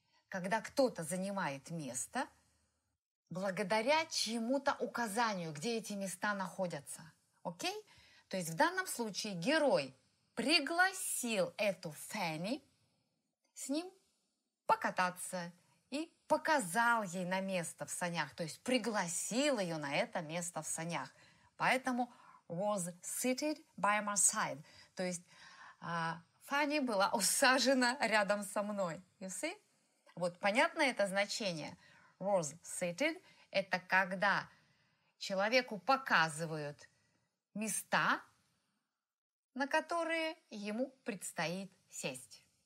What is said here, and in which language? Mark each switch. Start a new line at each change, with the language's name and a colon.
Russian: Когда кто-то занимает место благодаря чьему-то указанию, где эти места находятся. Окей? То есть, в данном случае герой пригласил эту Фанни с ним покататься и показал ей на место в санях, то есть пригласил ее на это место в санях. Поэтому
English: was seated by my side.
Russian: То есть Фанни была усажена рядом со мной.
English: You see?
Russian: Вот понятно это значение?
English: Was seated
Russian: – это когда человеку показывают места, на которые ему предстоит сесть.